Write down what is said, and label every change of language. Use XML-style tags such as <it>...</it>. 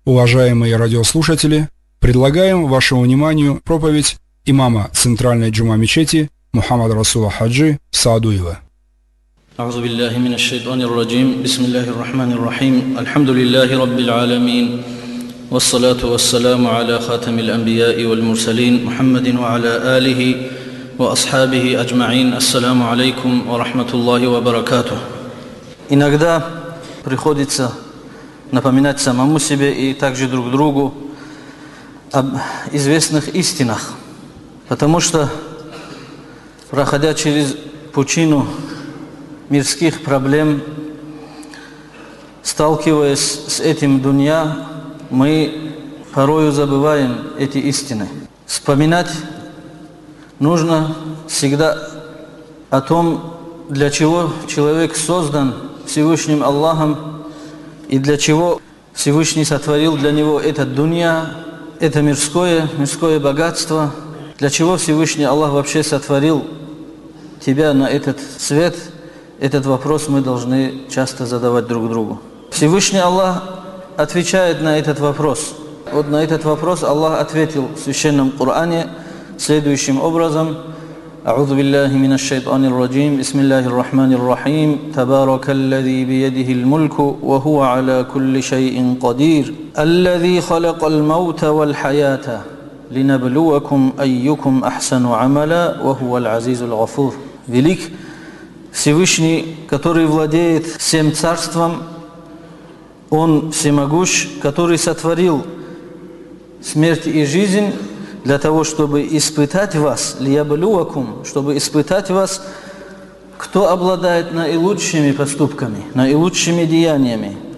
<ru>Уважаемые радиослушатели, предлагаем вашему вниманию проповедь имама Центральной Джума-мечети Мухаммада Расула Хаджи Саадуева.</ru> <ar>أعوذ بالله من الشيطان الرجيم بسم الله الرحمن الرحيم الحمد لله رب العالمين والصلاة والسلام على خاتم الأنبياء والمرسلين محمد وعلى آله وأصحابه أجمعين السلام عليكم ورحمة الله وبركاته.</ar> <ru>Иногда приходится напоминать самому себе и также друг другу об известных истинах, потому что, проходя через пучину мирских проблем, сталкиваясь с этим дунья, мы порою забываем эти истины. Вспоминать нужно всегда о том, для чего человек создан Всевышним Аллахом и для чего Всевышний сотворил для него этот дунья, это мирское богатство, для чего Всевышний Аллах вообще сотворил тебя на этот свет. Этот вопрос мы должны часто задавать друг другу. Всевышний Аллах отвечает на этот вопрос. Вот на этот вопрос Аллах ответил в Священном Коране следующим образом.</ru> <ar>أعوذ بالله من الشيطان الرجيم بسم الله الرحمن الرحيم تبارك الذي بيده الملك وهو على كل شيء قدير الذي خلق الموت والحياة لنبلوكم أيكم أحسن عملا وهو العزيز الغفور.</ar> <ru>Велик Всевышний, который владеет всем царством, Он всемогущ, который сотворил смерть и жизнь для того, чтобы испытать вас, лиябалюакум, чтобы испытать вас, кто обладает наилучшими поступками, наилучшими деяниями.</ru>